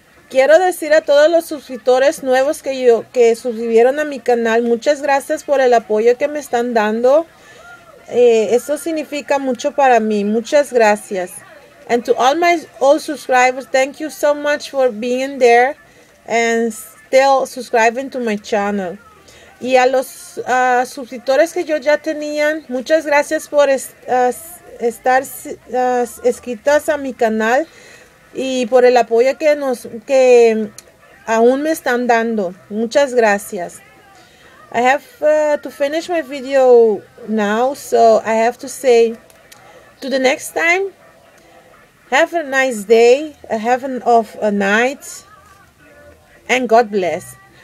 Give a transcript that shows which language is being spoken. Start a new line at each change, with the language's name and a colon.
Spanish: Quiero decir a todos los suscriptores nuevos que suscribieron a mi canal, muchas gracias por el apoyo que me están dando. Eso significa mucho para mí. Muchas gracias.
English: And to all my old subscribers, thank you so much for being there and still subscribing to my channel.
Spanish: Y a los suscriptores que yo ya tenían, muchas gracias por estar escritas a mi canal y por el apoyo que aún me están dando. Muchas gracias.
English: I have to finish my video now, so I have to say to the next time, have a nice day, have a night, and God bless.